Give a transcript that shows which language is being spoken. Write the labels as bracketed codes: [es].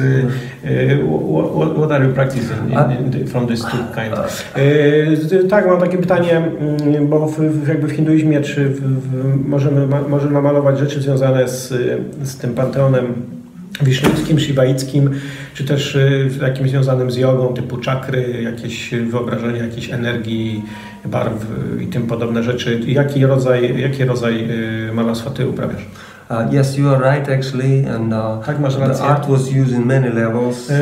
[en] What are you practicing from these two kinds? [pl] Tak, mam takie pytanie, bo jakby w hinduizmie, czy może namalować rzeczy związane z tym panteonem wiszniuckim, szibaickim, czy też takim związanym z jogą, typu czakry, jakieś wyobrażenie jakiejś energii, barw i tym podobne rzeczy. Jaki rodzaj malarstwa ty uprawiasz? [en] Yes, you are right actually, and [pl] tak, masz rację. [en] The art was used in many levels.